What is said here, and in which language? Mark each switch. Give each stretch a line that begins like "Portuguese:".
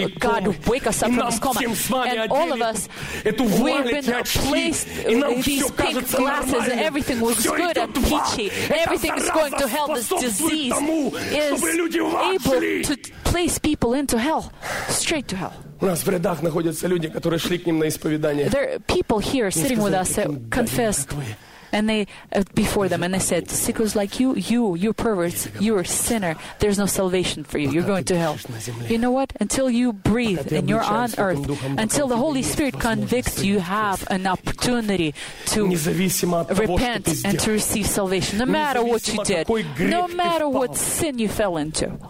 English: God, wake us up from this coma. And all of us, we've been placed in these pink glasses and everything looks good and peachy. Everything is going to hell. This disease is able to place people into hell, straight to hell.
Russian: У нас в рядах находятся люди, которые шли к ним на исповедание.
English: There are people here sitting with us that confessed, and they before them, and they said, "Sickos like you, you're perverts, you're a sinner. There's no salvation for you. You're going to hell." You know what? Until you breathe and you're on earth, until the Holy Spirit convicts you, you have an opportunity to repent and to receive salvation, no matter what you did, no matter what sin you fell into.